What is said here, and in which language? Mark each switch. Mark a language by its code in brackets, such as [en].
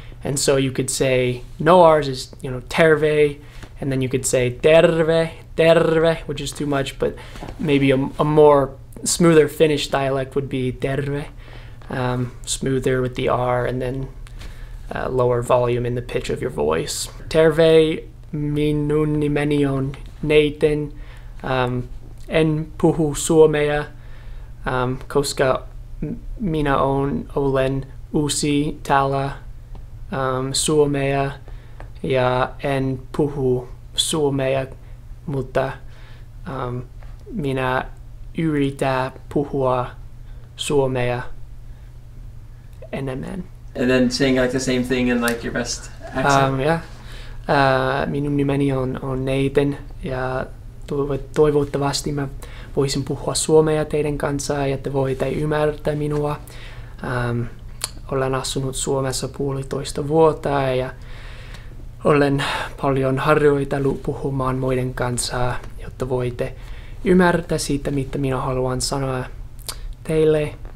[en] And so you could say no R's is, you know, terve. And then you could say terve, which is too much. But maybe a more smoother Finnish dialect would be terve, smoother with the R and then lower volume in the pitch of your voice. [fi] Terve minun nimeni on Nathan. En puhu suomea, koska minä olen uusi täällä suomea, ja en puhu suomea, mutta minä yritän puhua suomea enemmän. [en] And then saying like the same thing in like your best accent. [fi] Minun nimeni on Nathan, ja toivottavasti mä voisin puhua suomea teidän kanssa ja te voitte ymmärtää minua. Olen asunut Suomessa 1.5 vuotta ja olen paljon harjoitellut puhumaan muiden kanssa, jotta voitte ymmärtää siitä, mitä minä haluan sanoa teille.